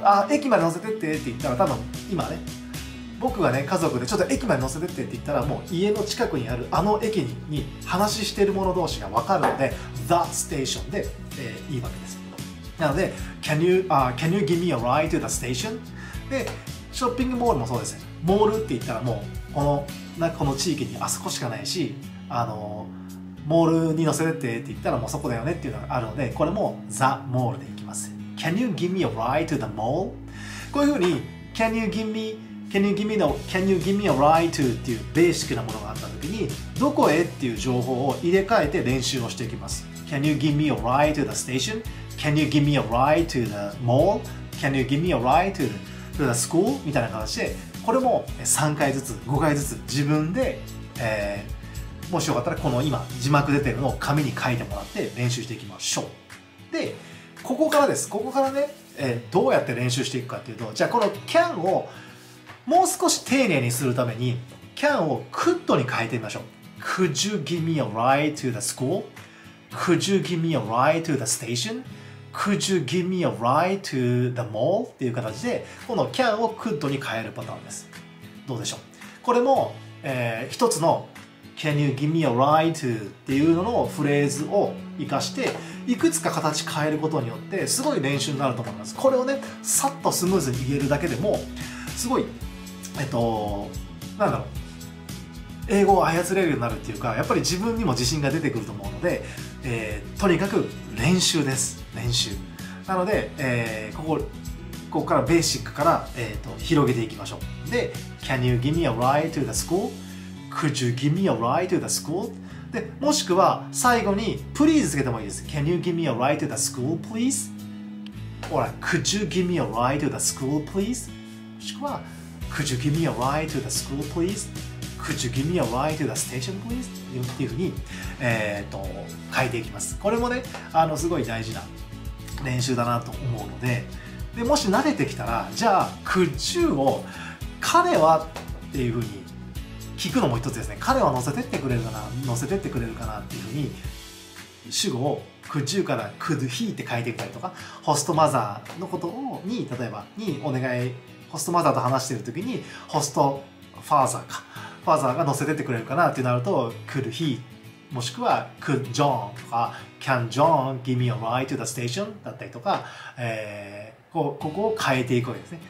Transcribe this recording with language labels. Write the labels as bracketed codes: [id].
[ja] 駅まで乗せてってって言ったら、多分今ね、僕がね、家族でちょっと駅まで乗せてって言ったら、もう家の近くにあるあの駅 に話してる者同士が分かるので [en] The Station [ja] で、いいわけです。なので [en] Can you give me a ride to the station? [ja] で、ショッピングモールもそうです。モールって言ったらもうこの地域にあそこしかないし、モールに乗せてって言ったらもうそこだよねっていうのがあるので、これも [en] The Mall [ja] でいきます。 [en] Can you give me a ride to the mall? [ja] こういうふうに [en] Can you give meCan you, give me the, can you give me a ride to? [ja] っていうベーシックなものがあったときに、どこへっていう情報を入れ替えて練習をしていきます。 [en] Can you give me a ride to the station? Can you give me a ride to the mall? Can you give me a ride to the school? [ja] みたいな形で、これも3回ずつ、5回ずつ自分で、もしよかったらこの今字幕出てるのを紙に書いてもらって練習していきましょう。で、ここからです。ここからね、どうやって練習していくかっていうと、じゃあこの can をもう少し丁寧にするために can を could に変えてみましょう。 [en] Could you give me a ride to the school? Could you give me a ride to the station? Could you give me a ride to the mall? [ja] っていう形でこの can を could に変えるパターンです。どうでしょう。これも、一つの [en] Can you give me a ride to? [ja] っていうののフレーズを生かしていくつか形変えることによってすごい練習になると思います。これをね、さっとスムーズに言えるだけでもすごい、なんだろう、英語を操れるようになるっていうか、やっぱり自分にも自信が出てくると思うので、とにかく練習です。練習なので、ここからベーシックから、広げていきましょう。 [en] で、 Can you give me a ride to the school? Could you give me a ride to the school? [ja] で、もしくは最後に Please つけてもいいです。 [en] Can you give me a ride to the school please? Or Could you give me a ride to the school please? もしくは Could you give me a ride to the school please? Could you give me a ride to the station please? [ja] っていうふうに、変えていきます。これもね、すごい大事な練習だなと思うので、でもし慣れてきたら、じゃあ could you を彼はっていう風に聞くのも一つですね。彼は乗せてってくれるかな、乗せてってくれるかなっていう風に主語を could you から could he って書いていくりとか、ホストマザーのことに例えばにお願い、ホストマザーと話している時にホストファーザーか、ファーザーが乗せてってくれるかなってなると could he、もしくは could John とか [en] can John give me a ride to the station [ja] だったりとか、ここを変えていくわけですね。